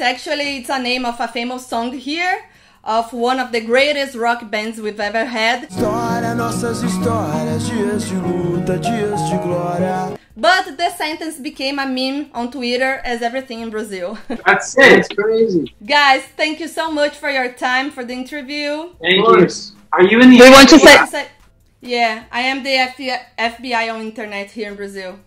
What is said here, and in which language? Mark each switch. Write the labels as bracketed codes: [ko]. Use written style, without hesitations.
[en] Actually, it's a name of a famous song here. Of one of the greatest rock bands we've ever had. [pt] História, nossas histórias, dias de luta, dias de glória. [en] But the sentence became a meme on Twitter as everything in Brazil. That's it. It's crazy. Guys, thank you so much for your time, for the interview. Thank you. Are you in the FBI? Yeah, I am the FBI on internet here in Brazil.